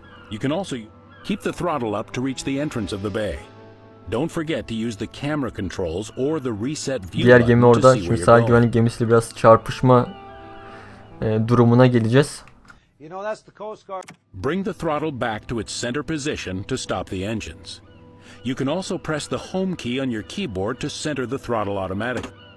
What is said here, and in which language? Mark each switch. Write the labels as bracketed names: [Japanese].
[English] You can also keep the throttle up to reach the entrance of the bay. Don't forget to use the camera controls or the reset view. [Turkish] Diğer gemi orada. Şimdi sağ güvenlik gemisiyle biraz çarpışma durumuna geleceğiz. [English] You know, that's the Coast Guard. Bring the throttle back to its center position to stop the engines. You can also press the home key on your keyboard to center the throttle automatically.